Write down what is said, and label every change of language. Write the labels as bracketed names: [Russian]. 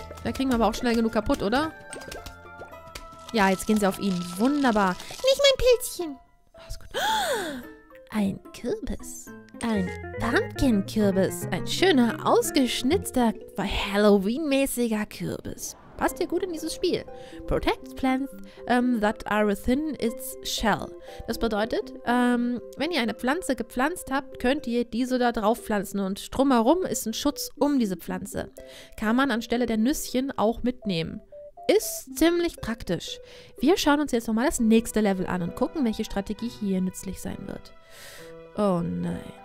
[German] Da kriegen wir aber auch schnell genug kaputt, oder? Ja, jetzt gehen sie auf ihn. Wunderbar. Nicht mein Pilzchen. Alles gut. Ein Kürbis. Ein Pumpkin-Kürbis. Ein schöner, ausgeschnitzter, Halloween-mäßiger Kürbis. Passt dir gut in dieses Spiel. [English] Protect plants that are within its shell. [German] Das bedeutet, wenn ihr eine Pflanze gepflanzt habt, könnt ihr diese da drauf pflanzen. Und drumherum ist ein Schutz um diese Pflanze. Kann man anstelle der Nüsschen auch mitnehmen. Ist ziemlich praktisch. Wir schauen uns jetzt nochmal das nächste Level an und gucken, welche Strategie hier nützlich sein wird. Oh nein.